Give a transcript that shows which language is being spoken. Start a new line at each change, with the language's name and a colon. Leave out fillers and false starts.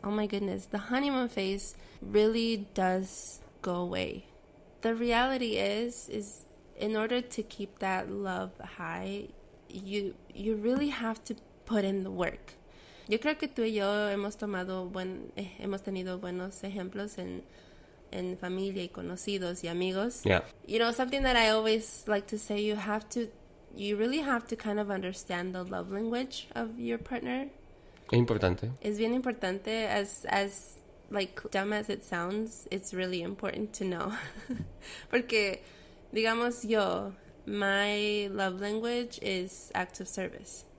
English: Oh my goodness, the honeymoon phase really does go away. The reality is in order to keep that love high, you really have to put in the work.
Spanish: Yo creo que tú y yo hemos tenido buenos ejemplos en familia y conocidos y amigos. Yeah.
English: You know, something that I always like to say, you really have to kind of understand the love language of your partner.
Spanish: Es importante. Es bien importante.
English: As like, dumb as it sounds, it's really important to know.
Spanish: Porque, digamos yo,
English: my love language is acts of service.